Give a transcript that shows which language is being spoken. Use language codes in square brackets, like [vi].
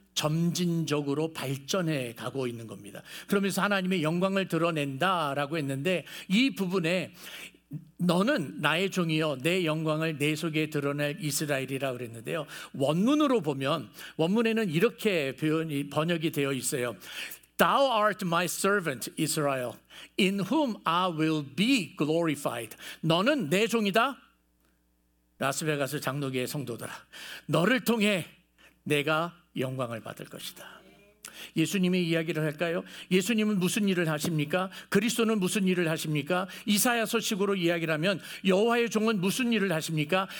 [ko] 점진적으로 발전해 가고 있는 겁니다. 그러면서 하나님의 영광을 드러낸다라고 했는데, 이 부분에 너는 나의 종이요 내 영광을 내 속에 드러낼 이스라엘이라 그랬는데요, 원문으로 보면 원문에는 이렇게 표현이 번역이 되어 있어요. [en] Thou art my servant Israel in whom I will be glorified. [ko] 너는 내 종이다, 라스베가스 장로교회 성도들아, 너를 통해 내가 영광을 받을 것이다. 예수님의 이야기를 할까요? 예수님은 무슨 일을 하십니까? 그리스도는 무슨 일을 하십니까? 이사야 소식으로 이야기를 하면 여호와의 종은 무슨 일을 하십니까?